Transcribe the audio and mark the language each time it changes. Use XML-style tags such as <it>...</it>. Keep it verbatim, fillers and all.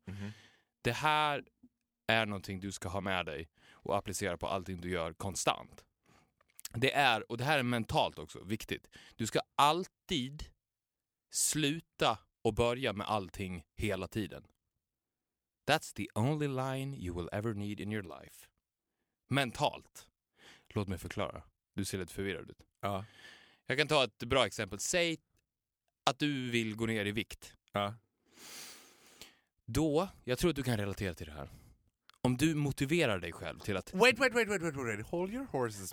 <sv>Mm-hmm. Det här är någonting du ska ha med dig och applicera på allting du gör konstant. Det är, och det här är mentalt också viktigt. Du ska alltid sluta och börja med allting hela tiden.</sv> <en>That's the only line you will ever need in your life.</en> <sv>Mentalt. Låt mig förklara. Du ser lite förvirrad ut. Ja. Jag kan ta ett bra exempel. Säg att du vill gå ner i vikt. Ja. Då, jag tror att du kan relatera till det här. Om du motiverar dig själv till att...</sv> <en>Wait, wait, wait, wait, wait, wait. Hold your horses,</en>